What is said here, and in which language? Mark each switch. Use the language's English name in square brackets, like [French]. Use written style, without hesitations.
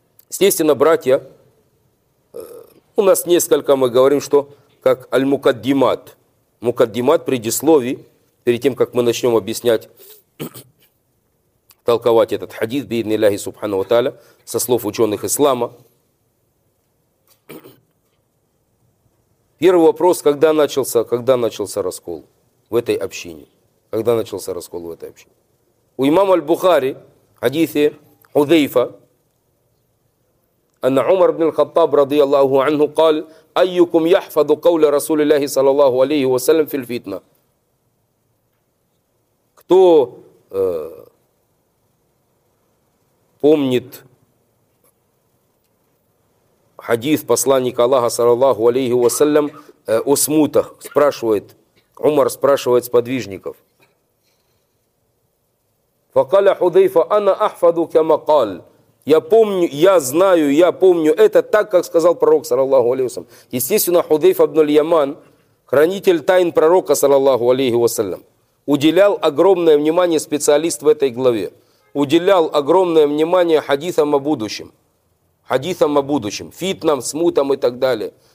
[Russian] Естественно, братья, у нас несколько, мы говорим, что как аль-мукаддимат, мукаддимат, предисловие, перед тем, как мы начнем объяснять, толковать этот хадис, биидни Аллахи субхана ва тааля, со слов ученых ислама. Первый вопрос, когда начался раскол в этой общине? Когда начался раскол в этой общине? У имама аль-Бухари, хадисе Худейфа, [Arabic] أن عمر بن الخطاب رضي الله عنه قال أيكم يحفظ قول رسول الله صلى الله عليه وسلم في الفتنة؟ [Russian] Кто помнит хадис посланника Аллаха صلى الله عليه وسلم о смутах? Спрашивает Умар, спрашивает сподвижников. [Arabic] فقال حذيفة أنا أحفظ كما قال. [Russian] Я помню, я знаю, я помню это так, как сказал пророк, саллаллаху алейхи вассалям. Естественно, Худейф ибн аль-Яман, хранитель тайн пророка, саллаллаху алейхи вассалям, уделял огромное внимание специалист в этой главе, уделял огромное внимание хадисам о будущем, хадисам о будущем, фитнам, смутам и так далее.